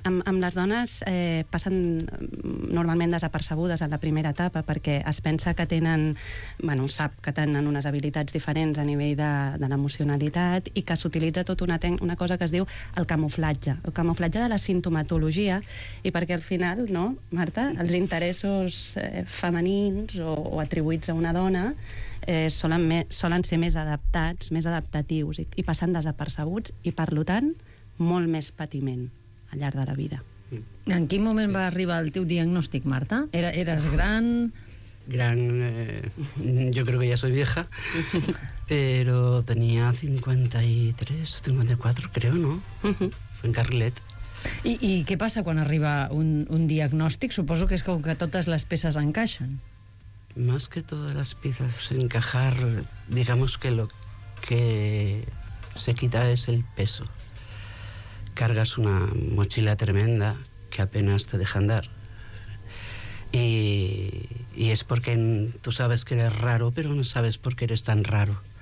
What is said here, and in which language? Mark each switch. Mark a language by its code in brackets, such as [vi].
[ca] Amb les dones passen normalment desapercebudes en la primera etapa, perquè es pensa que tenen, bueno, sap que tenen unes habilitats diferents a nivell de l'emocionalitat i que s'utilitza tot una cosa que es diu el camuflatge de la sintomatologia, i perquè al final, no, Marta, els interessos femenins o atribuïts a una dona solen ser més adaptats, més adaptatius i passen desapercebuts, i per tant molt més patiment al llarg de la vida. En quin moment va arribar el teu diagnòstic, Marta? [es] Eres gran? Gran, yo creo que ya soy vieja, pero tenía 53 o 54, creo, ¿no? Fue en Carrilet. [ca] I què passa quan arriba un diagnòstic? Suposo que és com que totes les peces encaixen. [es] Más que todas las piezas encajar, digamos que lo que se quita es el peso. Cargas una mochila tremenda que apenas te deja andar. Y es porque tú sabes que eres raro, pero no sabes por qué eres tan raro.